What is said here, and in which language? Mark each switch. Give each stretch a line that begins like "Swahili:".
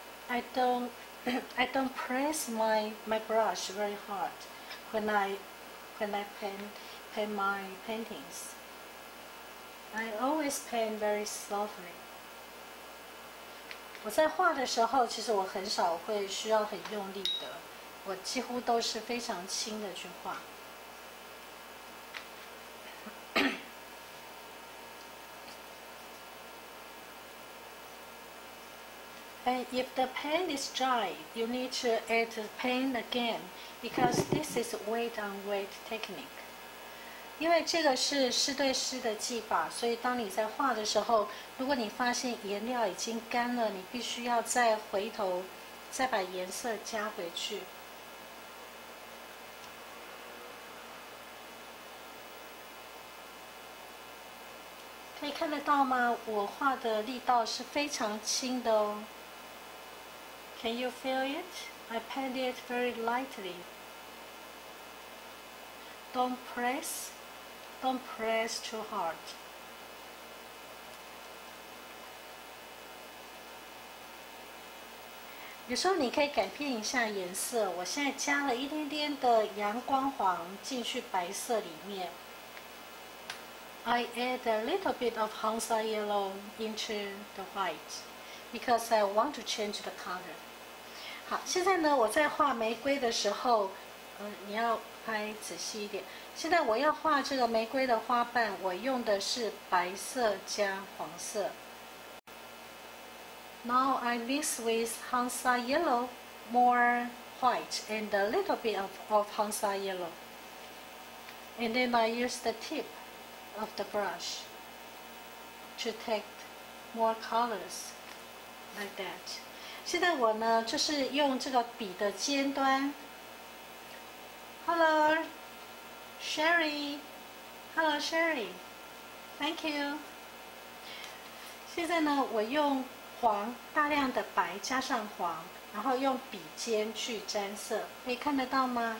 English: I don't press my brush very hard when I paint my paintings. I always paint very softly.
Chinese: 我在画的时候，其实我很少会需要很用力的，我几乎都是非常轻的去画。
English: And if the paint is dry, you need to add paint again because this is wet on wet technique.
Chinese: 因为这个是湿对湿的技法，所以当你在画的时候，如果你发现颜料已经干了，你必须要再回头，再把颜色加回去。可以看得到吗？我画的力道是非常轻的哦。
English: Can you feel it? I paint it very lightly. Don't press too hard.
Chinese: You 说你可以改变一下颜色，我现在加了一点点的阳光黄进去白色里面。
English: I add a little bit of Hansa yellow into the white because I want to change the color.
Chinese: 好，现在呢，我在画玫瑰的时候，你要拍仔细一点。现在我要画这个玫瑰的花瓣，我用的是白色加黄色。
English: Now I mix with Hansa yellow, more white, and a little bit of Hansa yellow. And then I use the tip of the brush to take more colors like that.
Chinese: 现在我呢，就是用这个笔的尖端。
English: Hello, Sherry. Thank you.
Chinese: 现在呢，我用黄，大量的白加上黄，然后用笔尖去沾色，可以看得到吗？